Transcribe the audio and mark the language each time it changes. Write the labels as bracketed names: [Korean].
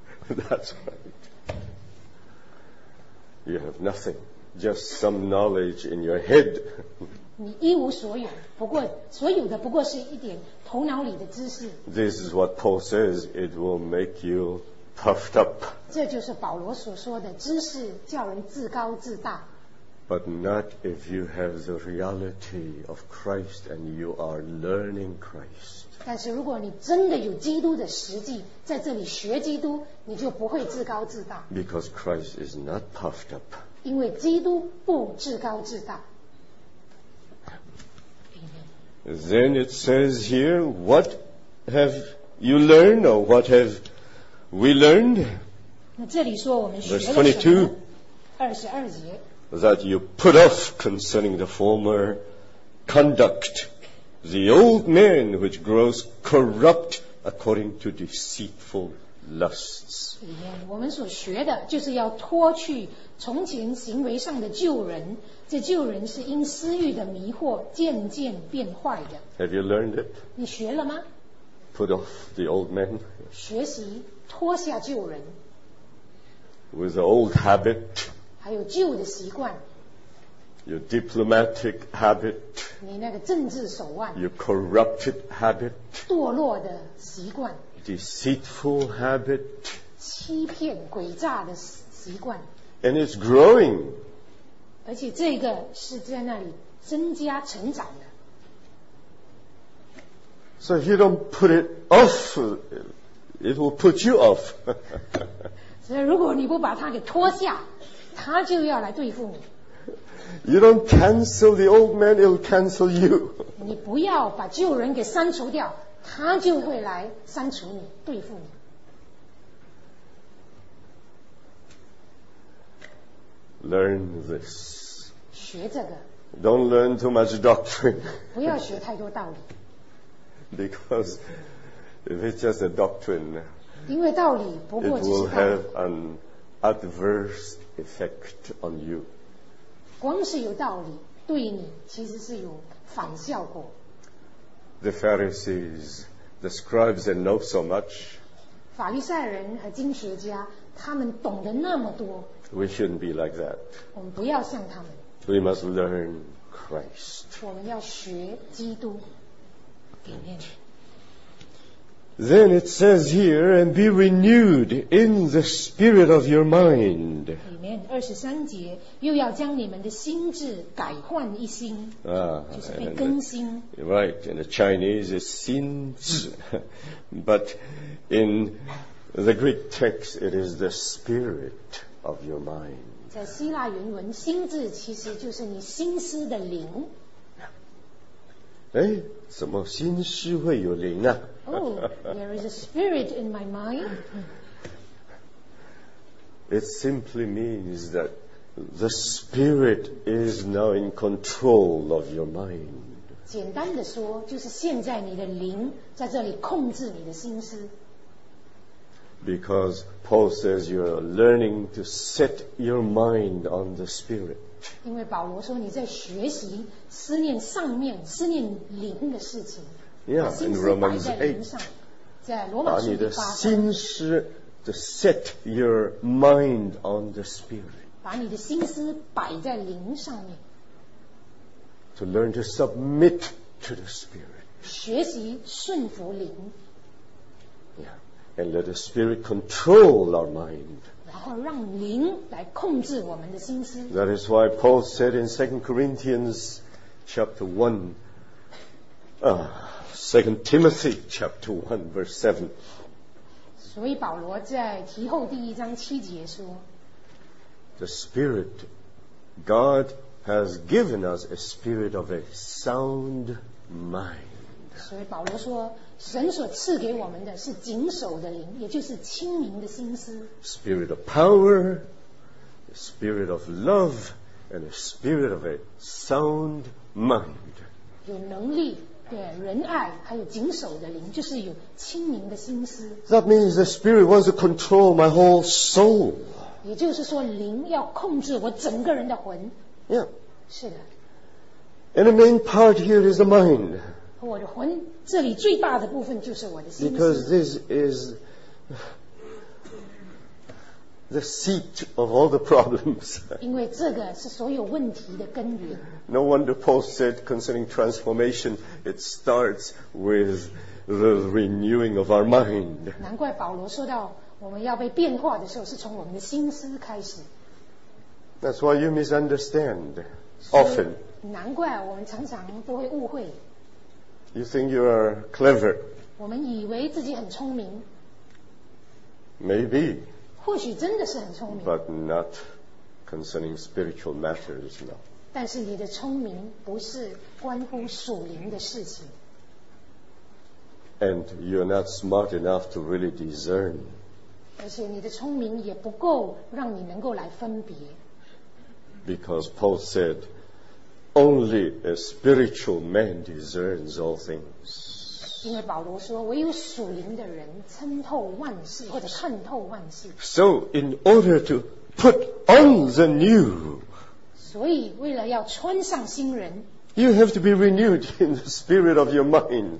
[English] that's right you have nothing just some knowledge in your head [Chinese] 你一无所有不过所有的不过是一点头脑里的知识 [English] this is what Paul says it will make you puffed up [Chinese] 这就是保罗所说的知识叫人自高自大 [English] but not if you have the reality of Christ and you are learning Christ [Chinese] 但是如果你真的有基督的实际在这里学基督你就不会自高自大 [English] because Christ is not puffed up [Chinese] 因为基督不自高自大 [English] then it says here what have you learned or what have We learned, verse 22, that you put off concerning the former conduct, the old man which grows corrupt according to deceitful lusts. [Chinese] 我们所学的就是要脱去从前行为上的旧人，这旧人是因私欲的迷惑渐渐变坏的。 [English] Have you learned it? [Chinese] 你学了吗？ [English] Put off the old man. [Chinese] 学习。脱下旧人 [English] with the old habit [Chinese] 还有旧的习惯 [English] your diplomatic habit [Chinese] 你那个政治手腕 [English] your corrupted habit [Chinese] 堕落的习惯 [English] deceitful habit [Chinese] 欺骗诡诈的习惯 [English] and it's growing [Chinese] 而且这个是在那里增加成长的 [English] so if you don't put it off It will put you off. [Chinese] 所以如果你不把它给脱下，它就要来对付你。 [English] You don't cancel the old man, it'll cancel you. [Chinese] 你不要把旧人给删除掉，它就会来删除你，对付你。 [English] Learn this. [Chinese] 学这个。 [English] Don't learn too much doctrine. [Chinese] 不要学太多道理。 [English] Because If it's just a doctrine, [Chinese] 因为道理不过只是道理 [English] it will have an adverse effect on you. [Chinese] 光是有道理对你其实是有反效果。 [English] The Pharisees, the scribes, they know so much. [Chinese] 法利赛人和经学家，他们懂得那么多。 [English] We shouldn't be like that. [Chinese] 我们不要像他们。 [English] We must learn Christ. [Chinese] 我们要学基督。 [English] Then it says here, and be renewed in the spirit of your mind. Amen. [Chinese] 23节又要将你们的心智改换一新，就是被更新。 [English] Right, in the Chinese is 心智 but in the Greek text it is the spirit of your mind. [Chinese] 在希腊原文，心智其实就是你心思的灵。哎，怎么心思会有灵啊？ [English] Oh, there is a spirit in my mind. It simply means that the spirit is now in control of your mind. [Chinese] 简单的说，就是现在你的灵在这里控制你的心思。 [English] Because Paul says you are learning to set your mind on the spirit. [Chinese] 因为保罗说你在学习思念上面，思念灵的事情。 [English] Yeah, in Romans 8, [Chinese] 把你的心思 [English] to set your mind on the Spirit. [Chinese] 把你的心思摆在灵上面。 [English] To learn to submit to the Spirit. [Chinese] 学习顺服灵。 [English] Yeah, and let the Spirit control our mind. [Chinese] 然后让灵来控制我们的心思。 [English] That is why Paul said in 2 Corinthians chapter 1, Second Timothy chapter 1 verse 7. [Chinese] 所以保罗在提后第一章七节说 [English] The Spirit God has given us a spirit of a sound mind [Chinese] 所以保罗说神所赐给我们的是谨守的灵也就是清明的心思 [English] Spirit of power a Spirit of love and a spirit of a sound mind [Chinese] 有能力对仁爱还有谨守的灵就是有清明的心思 [English] That means the spirit wants to control my whole soul [Chinese] 也就是说灵要控制我整个人的魂 [English] Yeah [Chinese] 是的 [English] And the main part here is the mind [Chinese] 我的魂这里最大的部分就是我的心思 [English] Because this is the seat of all the problems [Chinese] 因为这个是所有问题的根源 [English] No wonder Paul said concerning transformation it starts with the renewing of our mind [Chinese] 难怪保罗说到我们要被变化的时候是从我们的心思开始 [English] That's why you misunderstand often [Chinese] 难怪我们常常都会误会 [English] You think you are clever [Chinese] 我们以为自己很聪明 [English] Maybe [Chinese] 或许真的是很聪明 [English] But not concerning spiritual matters, no. [Chinese] 但是你的聪明不是关乎属灵的事情 [English] And you're not smart enough to really discern [Chinese] 而且你的聪明也不够让你能够来分别 [English] Because Paul said Only a spiritual man discerns all things [Chinese] 因为保罗说唯有属灵的人参透万事或者看透万事 [English] So in order to put on the new [Chinese] 所以为了要穿上新人 [English] You have to be renewed in the spirit of your mind